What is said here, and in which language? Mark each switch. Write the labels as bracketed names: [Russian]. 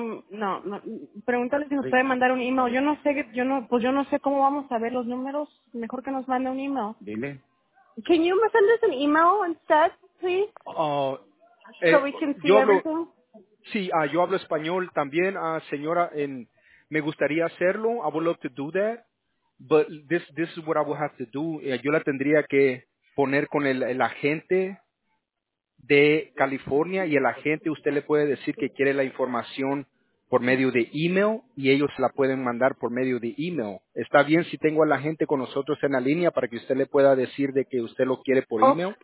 [Spanish] No, pregúntale si nos puede mandar un email. Yo no sé cómo vamos a ver los números. Mejor que nos mande un email. Dile. [English] Can you send us an email instead, please? So we can see everything. [Spanish] Sí, yo hablo español también, señora, and me gustaría hacerlo. [English] I would love to do that, but this is what I would have to do. [Spanish] Yo la tendría que poner con el agente de California, y el agente, usted le puede decir que quiere la información por medio de email, y ellos la pueden mandar por medio de email. ¿Está bien si tengo a la gente con nosotros en la línea para que usted le pueda decir de que usted lo quiere por email?